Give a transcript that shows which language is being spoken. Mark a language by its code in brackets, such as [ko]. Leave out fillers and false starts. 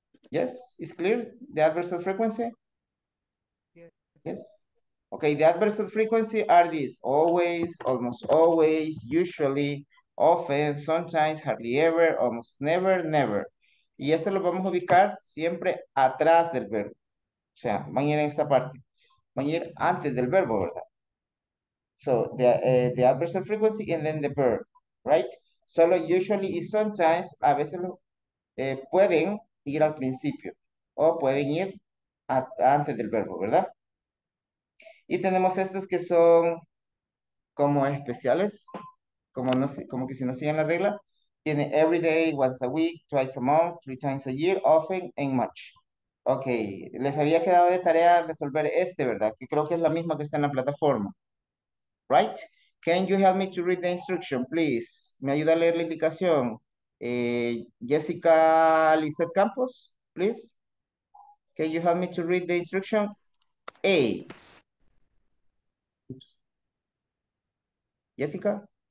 [en] Yes, it's clear, the adverbs of frequency? Yes. Okay, the adverbs of frequency are these: always, almost always, usually, often, sometimes, hardly ever, almost never, never. [es] Y esto lo vamos a ubicar siempre atrás del verbo. O sea, van a ir en esta parte. Van a ir antes del verbo, ¿verdad? [en] So, the adverbs of frequency and then the verb, right? [es] Solo usually y sometimes, a veces pueden ir al principio. O pueden ir antes del verbo, ¿verdad? Y tenemos estos que son como especiales. Como, no, como que si no siguen la regla, tiene [en] every day, once a week, twice a month, three times a year, often, and much. [es] Ok, les había quedado de tarea resolver este, ¿verdad? Que creo que es la misma que está en la plataforma. [en] Right? Can you help me to read the instruction, please? [es] ¿Me ayuda a leer la indicación? [en] Jessica Lizeth Campos, please. Can you help me to read the instruction? A. Oops. Jessica?